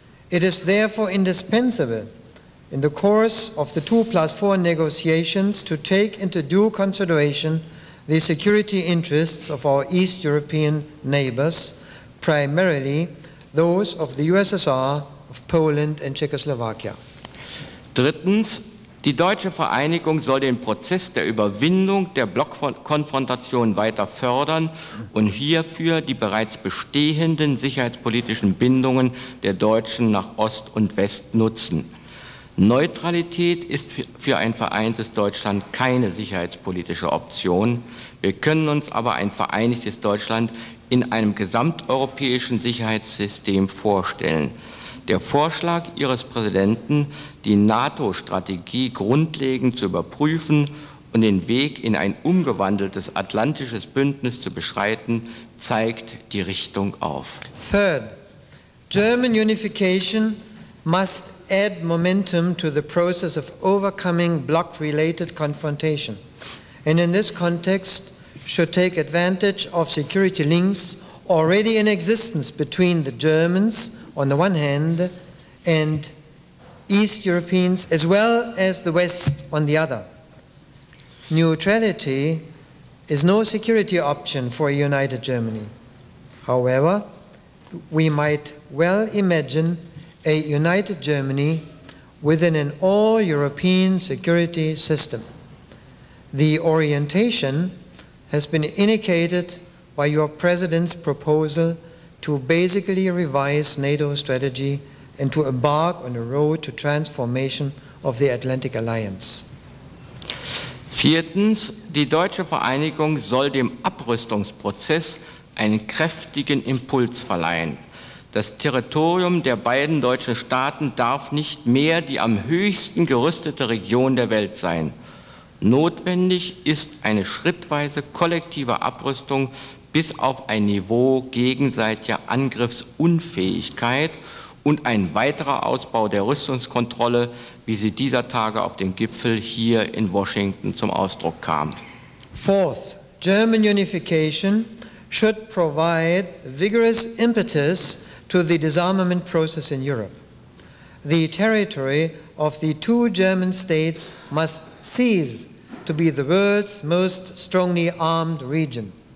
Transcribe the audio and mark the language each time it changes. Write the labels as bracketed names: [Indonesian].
[English] It is therefore indispensable in the course of the 2+4 negotiations to take into due consideration the security interests of our East European neighbors, primarily those of the USSR, of Poland and Czechoslovakia. [German] Drittens, die deutsche Vereinigung soll den Prozess der Überwindung der Blockkonfrontation weiter fördern und hierfür die bereits bestehenden sicherheitspolitischen Bindungen der Deutschen nach Ost und West nutzen. Neutralität ist für ein vereintes Deutschland keine sicherheitspolitische Option. Wir können uns aber ein vereinigtes Deutschland in einem gesamteuropäischen Sicherheitssystem vorstellen. Der Vorschlag Ihres Präsidenten, die NATO-Strategie grundlegend zu überprüfen und den Weg in ein umgewandeltes atlantisches Bündnis zu beschreiten, zeigt die Richtung auf. [English] Third, German unification must add momentum to the process of overcoming bloc-related confrontation and in this context should take advantage of security links already in existence between the Germans on the one hand and East Europeans as well as the West on the other. Neutrality is no security option for a united Germany. However, we might well imagine a united Germany within an all-European security system. The orientation has been indicated by your president's proposal to basically revise NATO strategy and to embark on a road to transformation of the Atlantic Alliance. [German] Viertens, die deutsche Vereinigung soll dem Abrüstungsprozess einen kräftigen Impuls verleihen. Das Territorium der beiden deutschen Staaten darf nicht mehr die am höchsten gerüstete Region der Welt sein. Notwendig ist eine schrittweise kollektive Abrüstung bis auf ein Niveau gegenseitiger Angriffsunfähigkeit und ein weiterer Ausbau der Rüstungskontrolle, wie sie dieser Tage auf dem Gipfel hier in Washington zum Ausdruck kam. [English] Fourth, German unification should provide vigorous impetus to the disarmament process in Europe. The territory of the two German states must cease to be the world's most strongly armed region.